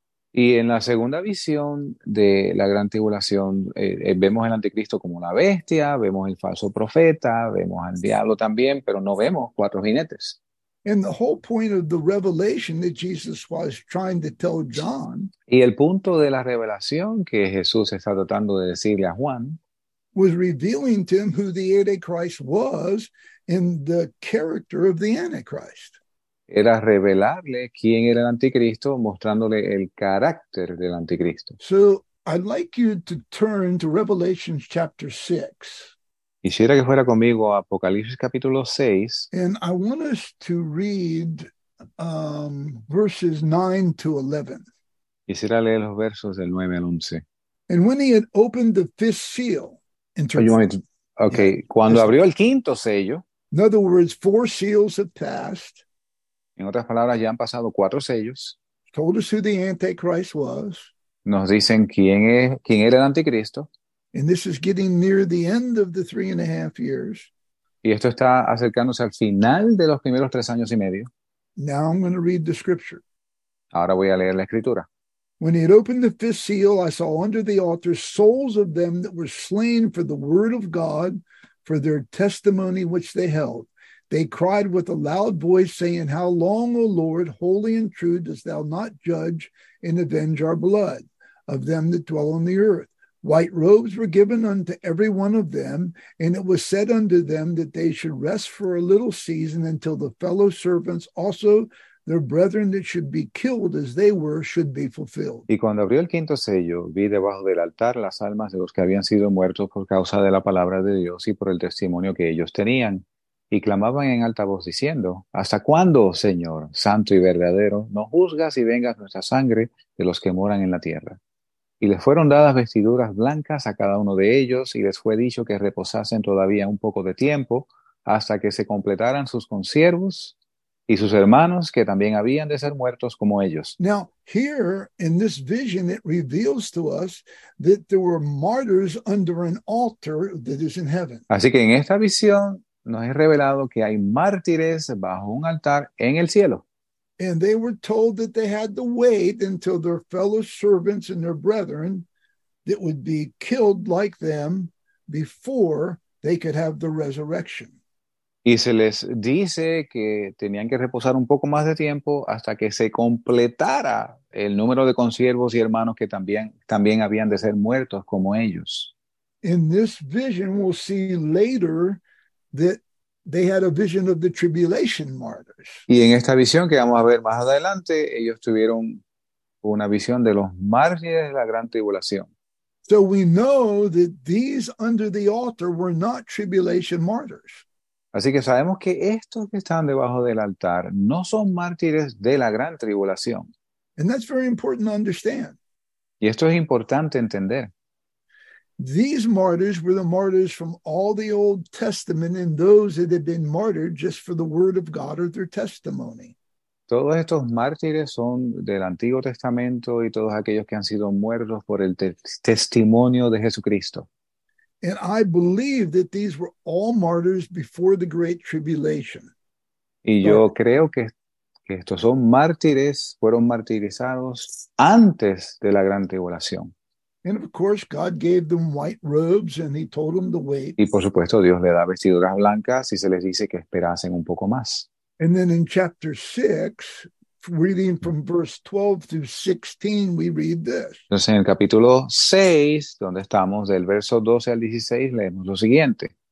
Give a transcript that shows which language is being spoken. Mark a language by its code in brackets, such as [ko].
[es] Y en la segunda visión de la gran tribulación, vemos al anticristo como una bestia, vemos el falso profeta, vemos al diablo también, pero no vemos cuatro jinetes. [en] And the whole point of the revelation that Jesus was trying to tell John [es] Y el punto de la revelación que Jesús está tratando de decirle a Juan [en] was revealing to him who the Antichrist was and the character of the Antichrist. [es] era revelarle quién era el anticristo, mostrándole el carácter del anticristo. [en] So I'd like you to turn to Revelation chapter 6. [es] Quisiera que fuera conmigo a Apocalipsis capítulo 6. [en] And I want us to read verses 9 to 11. [es] Quisiera leer los versos del 9 al 11. [en] And when he had opened the fifth seal, Oh, you want me to, yeah, [es] okay, cuando abrió el quinto sello, [en] in other words, four seals have passed. [es] en otras palabras, ya han pasado cuatro sellos. [en] Told us who the Antichrist was. [es] Nos dicen quién era el anticristo. [en] And this is getting near the end of the 3.5 years. [es] Y esto está acercándose al final de los primeros 3 años y medio. [en] Now I'm going to read the scripture. [es] Ahora voy a leer la escritura. [en] When he had opened the fifth seal, I saw under the altar souls of them that were slain for the word of God, for their testimony which they held. They cried with a loud voice, saying, How long, O Lord, holy and true, dost thou not judge and avenge our blood of them that dwell on the earth? White robes were given unto every one of them, and it was said unto them that they should rest for a little season until the fellow servants also, their brethren that should be killed as they were, should be fulfilled. [es] Y cuando abrió el quinto sello, vi debajo del altar las almas de los que habían sido muertos por causa de la palabra de Dios y por el testimonio que ellos tenían, y clamaban en alta voz diciendo: ¿Hasta cuándo, Señor, santo y verdadero, no juzgas y vengas nuestra sangre de los que moran en la tierra? Y les fueron dadas vestiduras blancas a cada uno de ellos, y les fue dicho que reposasen todavía un poco de tiempo hasta que se completaran sus consiervos y sus hermanos, que también habían de ser muertos como ellos. [en] Now, here in this vision, it reveals to us that there were martyrs under an altar that is in heaven. [es] Así que en esta visión nos es revelado que hay mártires bajo un altar en el cielo. [en] And they were told that they had to wait until their fellow servants and their brethren that would be killed like them before they could have the resurrection. [es] Y se les dice que tenían que reposar un poco más de tiempo hasta que se completara el número de consiervos y hermanos que también habían de ser muertos como ellos. [en] In this vision, we'll see later that they had a vision of the tribulation martyrs. [es] Y en esta visión que vamos a ver más adelante, ellos tuvieron una visión de los mártires de la gran tribulación. [en] So we know that these under the altar were not tribulation martyrs. [es] Así que sabemos que estos que están debajo del altar no son mártires de la gran tribulación. [en] And that's very important to understand. [es] Y esto es importante entender. [en] These martyrs were the martyrs from all the Old Testament and those that had been martyred just for the word of God or their testimony. [es] Todos estos mártires son del Antiguo Testamento y todos aquellos que han sido muertos por el testimonio de Jesucristo. [en] And I believe that these were all martyrs before the Great Tribulation. [es] Y yo creo que estos son mártires, fueron martirizados antes de la gran tribulación. [en] And of course, God gave them white robes and he told them to wait. [es] Y por supuesto, Dios le da vestiduras blancas y se les dice que esperasen un poco más. [en] And then in chapter 6, reading from verse 12 through 16, we read this. [es] Entonces, en el capítulo 6, donde estamos, del verso 12 al 16, leemos lo siguiente.